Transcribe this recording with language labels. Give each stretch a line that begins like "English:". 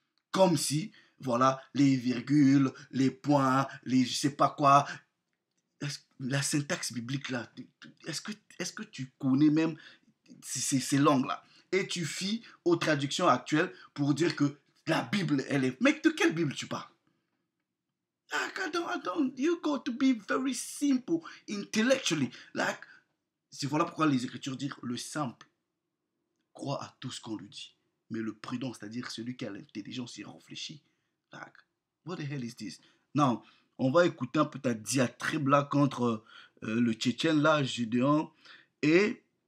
French: Comme si, voilà, les virgules, les points, les je sais pas quoi. La syntaxe biblique là, est-ce que tu connais même ces langues-là? Et tu fies aux traductions actuelles pour dire que la Bible, elle est. Mec, de quelle Bible tu parles?
English: Like, you got to be very simple, intellectually.
French: Like, c'est voilà pourquoi les Écritures disent le simple croit à tout ce qu'on lui dit. Mais le prudent, c'est-à-dire celui qui a l'intelligence, il réfléchit.
English: Like, what the hell is this?
French: Non, on va écouter un peu ta diatribe là contre le Tchétchène, là, Gédéon. Et.